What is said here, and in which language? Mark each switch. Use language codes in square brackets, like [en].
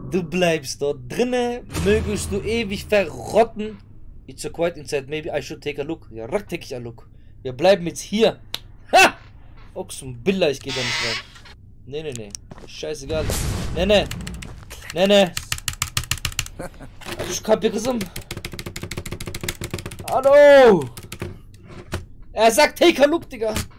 [de] Du bleibst dort drinnen, mögest du ewig verrotten. [en] It's a quiet inside, maybe I should take a look. [de] Ja, rack, [en] take a look. [de] Wir bleiben jetzt hier. Ha! Ochsenbilla, ich geh da nicht rein. Nee, nee, nee. Scheißegal. Nee, nee. Nee, nee. Also, ich hab hier gesagt. Hallo! Er sagt, [en] take a look, [de] Digga.